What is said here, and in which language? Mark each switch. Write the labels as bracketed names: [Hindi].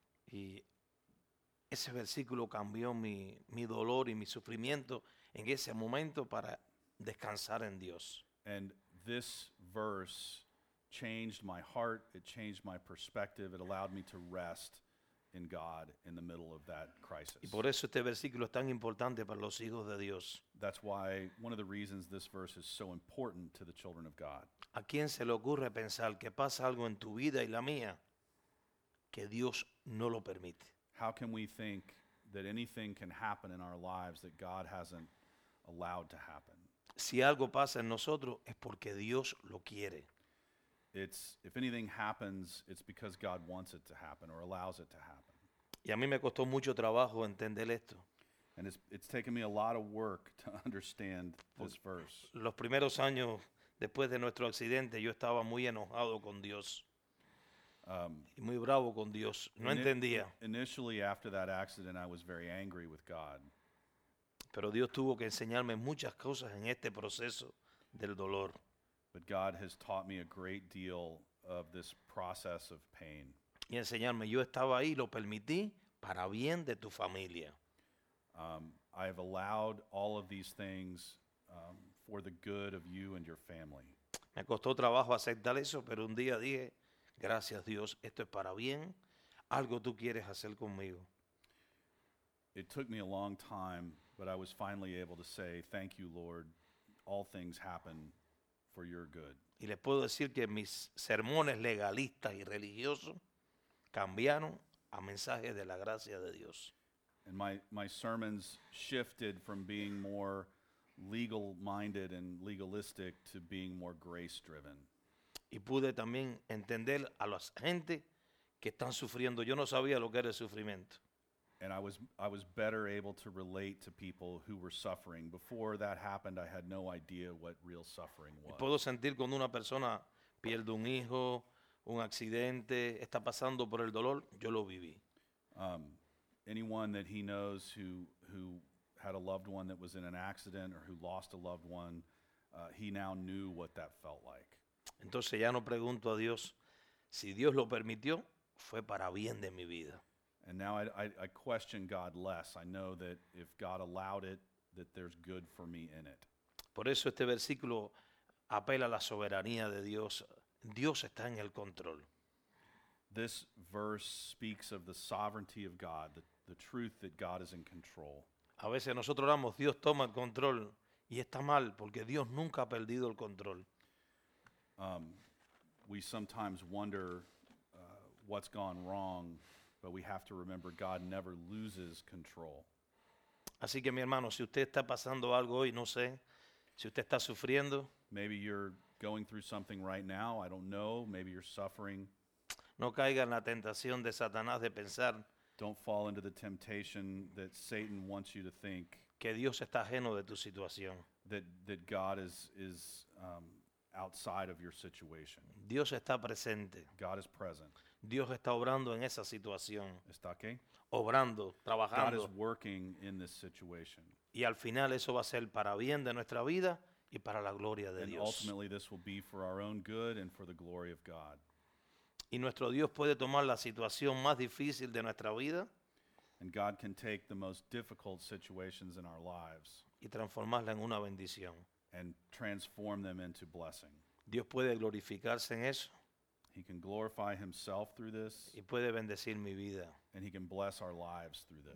[Spanish] Y ese versículo cambió mi dolor y mi sufrimiento en ese momento para descansar en Dios. [English] And this verse changed my heart, it changed my perspective, it allowed me to rest in God in the middle of that crisis. [Spanish] Y por eso este versículo es tan importante para los hijos de Dios. [English] That's why one of the reasons this verse is so important to the children of God. [Spanish] ¿A quién se le ocurre pensar que pasa algo en tu vida y la mía que Dios no lo permite? [English] How can we think that anything can happen in our lives that God hasn't allowed to happen? [Spanish] Si algo pasa en nosotros es porque Dios lo quiere. [English] It's if anything happens, it's because God wants it to happen or allows it to happen. [Spanish] Y a mí me costó mucho trabajo entender esto. [English] And it's taken me a lot of work to understand this verse. [Spanish] Los primeros años después de nuestro accidente, yo estaba muy enojado con Dios. Y muy bravo con Dios. No entendía. [English] Initially, after that accident, I was very angry with God. [Spanish] Pero Dios tuvo que enseñarme muchas cosas en este proceso del dolor. [English] But God has taught me a great deal of this process of pain. [Spanish] Y enseñarme, yo estaba ahí, lo permití para bien de tu familia. [English] I have allowed all of these things for the good of you and your family. [Spanish] Me costó trabajo aceptar eso, pero un día dije, gracias Dios, esto es para bien, algo tú quieres hacer conmigo. [English] It took me a long time, but I was finally able to say, thank you Lord, all things happen for your good. [Spanish] Y les puedo decir que mis sermones legalistas y religiosos cambiaron a mensajes de la gracia de Dios. [English] And my sermons shifted from being more legal-minded and legalistic to being more grace-driven. [Spanish] Y pude también entender a la gente que están sufriendo. Yo no sabía lo que era el sufrimiento. [English] And I was better able to relate to people who were suffering. Before that happened, I had no idea what real suffering was. [Spanish] Puedo sentir cuando una persona pierde un hijo, un accidente, está pasando por el dolor, yo lo viví. [English] Anyone that he knows who had a loved one that was in an accident or who lost a loved one, he now knew what that felt like. [Spanish] Entonces ya no pregunto a Dios, si Dios lo permitió, fue para bien de mi vida. [English] And now I question God less. I know that if God allowed it, that there's good for me in it. [Spanish] Por eso este versículo apela a la soberanía de Dios. Dios está en el control. [English] This verse speaks of the sovereignty of God, the truth that God is in control. [Spanish] A veces nosotros oramos, Dios toma el control, y está mal, porque Dios nunca ha perdido el control. [English] We sometimes wonder what's gone wrong. But we have to remember God never loses control. [Spanish] Así que mi hermano, si usted está pasando algo hoy, no sé, si usted está sufriendo, [English] Maybe you're going through something right now. I don't know. Maybe you're suffering. [Spanish] No caiga en la tentación de Satanás de pensar. [English] Don't fall into the temptation that Satan wants you to think. [Spanish] Que Dios está ajeno de tu situación. [English] That God is outside of your situation. [Spanish] Dios está presente. [English] God is present. [Spanish] Dios está obrando en esa situación. ¿Está qué? Obrando, trabajando. [English] God is working in this situation. [Spanish] Y al final eso va a ser para bien de nuestra vida y para la gloria de [English] and [Spanish] Dios. [English] Ultimately this will be for our own good and for the glory of God. [Spanish] Y nuestro Dios puede tomar la situación más difícil de nuestra vida. [English] And God can take the most difficult situations in our lives. [Spanish] Y transformarla en una bendición. [English] And transform them into blessing. [Spanish] Dios puede glorificarse en eso. [English] He can glorify himself through this. [Spanish] Y puede bendecir mi vida. [English] And he can bless our lives through this.